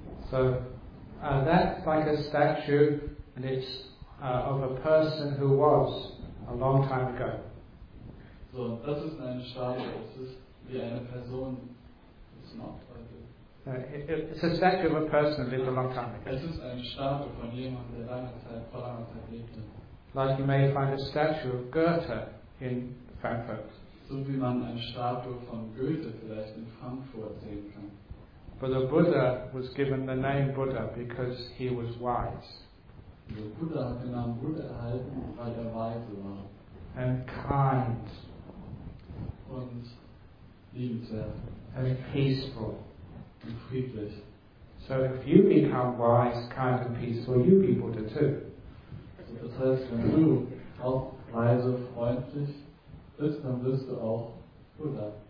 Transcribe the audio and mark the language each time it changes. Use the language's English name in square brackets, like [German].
[English] So that's like a statue, and it's of a person who was a long time ago. [German] So das ist eine Statue. Das ist wie eine Person. [English] It's not. It's a statue of a person who lived a long time ago. [German] Es ist eine Statue von jemand, der lange Zeit, vor langer Zeit lebte. [English] Like you may find a statue of Goethe in Frankfurt. [German] So wie man eine Statue von Goethe vielleicht in Frankfurt sehen kann. [English] But the Buddha was given the name Buddha because he was wise. [German] Der Buddha hat den Namen Buddha erhalten, weil er weise war. [English] And kind. [German] Und liebenswert. [English] And peaceful. [German] Und friedlich. [English] So if you become wise, kind and peaceful, you be Buddha too. [German] So das heißt, wenn du auch weise, freundlich bist, dann bist du auch Buddha.